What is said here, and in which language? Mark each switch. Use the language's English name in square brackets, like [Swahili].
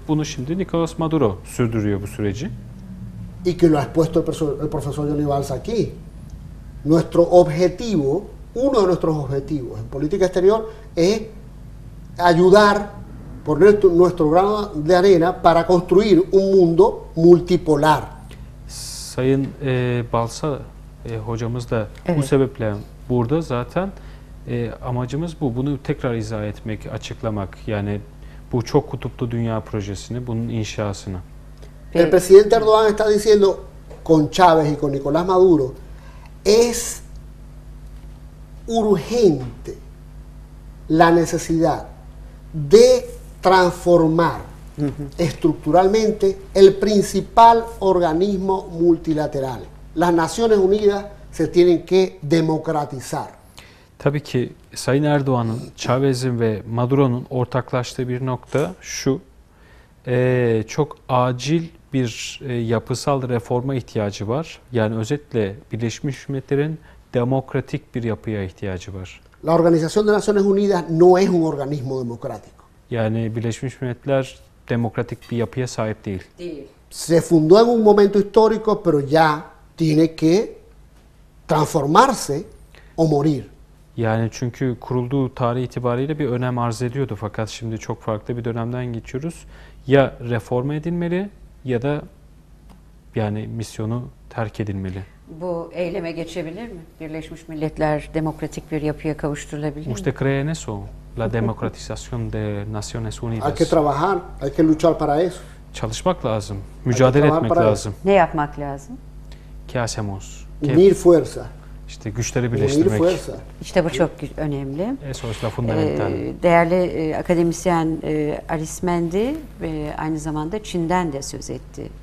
[Turkish] Bunu şimdi Nicolás Maduro sürdürüyor bu süreci. [Spanish] Y que lo ha expuesto el profesor Johnny Valls aquí. Nuestro objetivo, uno de nuestros objetivos en política exterior es ayudar, poner nuestro grano de arena para construir un mundo multipolar. [Turkish] Sayın Balsa hocamız da evet. Bu sebeple burada zaten amacımız bu. Bunu tekrar izah etmek, açıklamak. Yani bu çok kutuplu dünya projesini, bunun inşasını. [Spanish] Evet. El presidente Erdoğan está diciendo con Chávez y con Nicolás Maduro es urgente la necesidad de transformar estructuralmente el principal organismo multilateral, las Naciones Unidas se tienen que democratizar. [Turkish] Tabii ki Sayın Erdoğan'ın, Chavez'in ve Maduro'nun ortaklaştığı bir nokta şu. Çok acil bir yapısal reforma ihtiyacı var. Yani özetle Birleşmiş Milletler'in demokratik bir yapıya ihtiyacı var. [Spanish] La Organización de Naciones Unidas no es un organismo democrático. [Turkish] Yani Birleşmiş Milletler demokratik bir yapıya sahip değil. Değil. [Spanish] Se fundó en un momento histórico, pero ya tiene que transformarse o morir. [Turkish] Yani çünkü kurulduğu tarih itibariyle bir önem arz ediyordu. Fakat şimdi çok farklı bir dönemden geçiyoruz. Ya reform edilmeli ya da yani misyonu terk edilmeli. Bu eyleme geçebilir mi? Birleşmiş Milletler demokratik bir yapıya kavuşturulabilir mi? [Spanish] ¿Usted cree en eso? La democratización de Naciones Unidas. Hay que trabajar, hay que luchar para eso. [Turkish] Çalışmak lazım, mücadele etmek lazım. Ne yapmak lazım? [Spanish] ¿Qué hacemos? Unir fuerza. [Turkish] İşte güçleri birleştirmek. İşte bu çok önemli. Sonuçta fundamental. Değerli akademisyen Aris Mendi aynı zamanda Çin'den de söz etti.